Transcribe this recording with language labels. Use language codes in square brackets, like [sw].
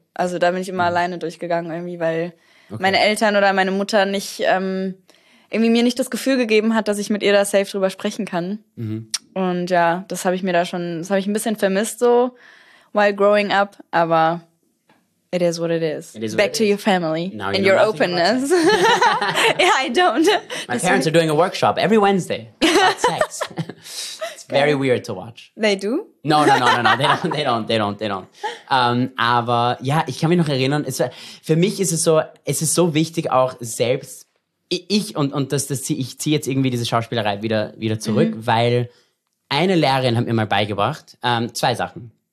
[de] Also da bin ich immer alleine durchgegangen irgendwie, weil meine Eltern oder meine Mutter nicht irgendwie mir nicht das Gefühl gegeben hat, dass ich mit ihr da safe drüber sprechen kann. Und ja, das habe ich mir da schon, das habe ich ein bisschen vermisst so [en] while growing up, [de] aber [en] it is what it is. Back to your family and your openness. Yeah, I don't. My parents are doing a workshop every Wednesday about sex. Very weird to watch. They do? No. They don't. [de] Aber ja, ich kann mich noch erinnern, für mich ist es so, es ist so wichtig auch selbst, ich ziehe jetzt irgendwie diese Schauspielerei wieder zurück, weil eine Lehrerin hat mir mal beigebracht, 2 Sachen.